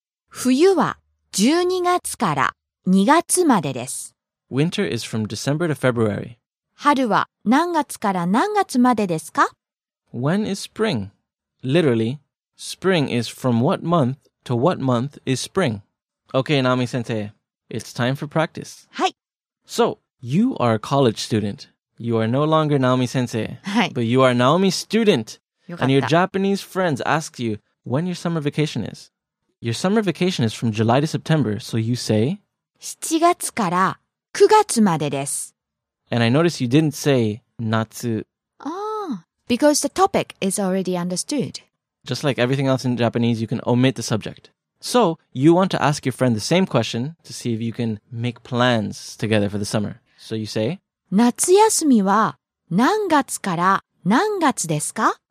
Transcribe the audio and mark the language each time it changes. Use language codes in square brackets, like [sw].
[ja] 冬は 12月 から 2月 までです. [en] Winter is from December to February. [ja] 春は 何月 から 何月 までですか? [en] When is spring? Literally, spring is from what month to what month is spring? Okay, Nami-sensei, it's time for practice. [ja] はい。 [en] So, you are a college student. You are no longer Naomi-sensei. [ja] はい。 [en] But you are Naomi's student. [ja] よかった。 [en] And your Japanese friends ask you when your summer vacation is. Your summer vacation is from July to September, so you say [ja] 7月 から 9月 までです。 [en] And I noticed you didn't say 夏. Because the topic is already understood. Just like everything else in Japanese, you can omit the subject. So, you want to ask your friend the same question to see if you can make plans together for the summer. So you say [ja] 夏休みは 何月 から 何月 ですか?